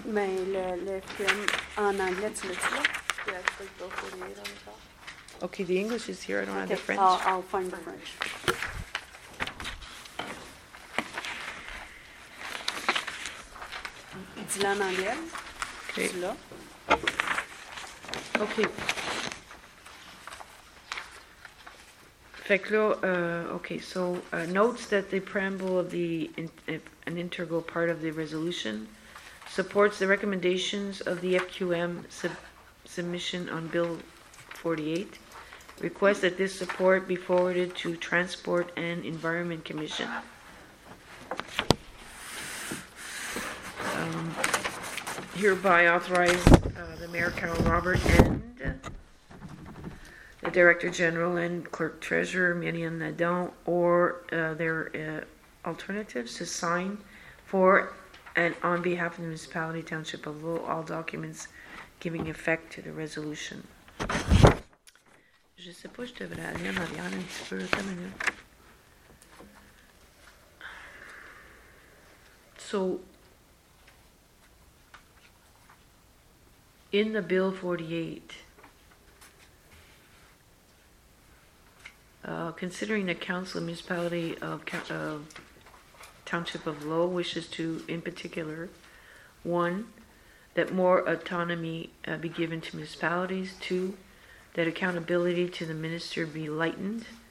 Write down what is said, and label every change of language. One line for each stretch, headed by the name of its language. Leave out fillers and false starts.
French: Mais le film en anglais, tu l'as-tu là?
English: OK, the English is here. I don't have the French. I'll find the French.
French: Dis-la en anglais. OK. Dis-la. OK. Fait que là,
English: OK, so notes that the preamble of the an integral part of the resolution supports the recommendations of the FQM submission on Bill 48. Request that this support be forwarded to Transport and Environment Commission. Hereby authorize the Mayor Carol Robert and the Director General and Clerk Treasurer Myriam Nadon or their alternatives to sign for and on behalf of the Municipality Township of Lowell all documents giving effect to the resolution.
French: Je sais pas, je devrais aller en arrière un petit peu, une minute.
English: So, in the Bill 48, considering the Council of Municipality of Township of Lowell wishes to, in particular, one, that more autonomy be given to municipalities, two, that accountability to the minister be lightened.